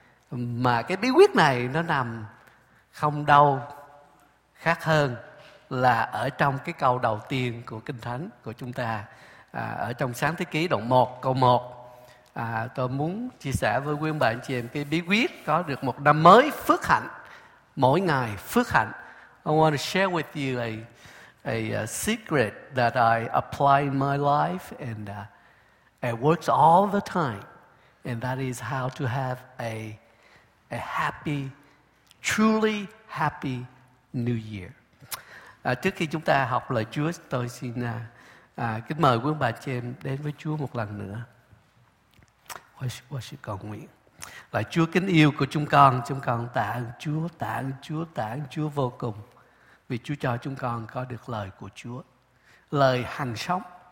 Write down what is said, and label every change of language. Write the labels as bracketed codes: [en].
[vi] Mà cái bí quyết này nó nằm không đâu khác hơn là ở trong cái câu đầu tiên của Kinh Thánh của chúng ta, ở trong Sáng Thế Ký đoạn 1 câu 1. Tôi muốn chia sẻ với quý ông bà anh chị em cái bí quyết có được một năm mới phước hạnh, mỗi ngày phước hạnh. [en] I want to share with you a secret that I apply in my life, and it works all the time, and that is how to have a happy, truly happy New Year. [vi] Trước khi chúng ta học lời Chúa, tôi xin kính mời quý ông bà chị em đến với Chúa một lần nữa. Worship cầu nguyện. Lạy Chúa kính yêu của chúng con tạ ơn Chúa, tạ ơn Chúa, tạ ơn Chúa vô cùng vì Chúa cho chúng con có được lời của Chúa, lời hằng sống.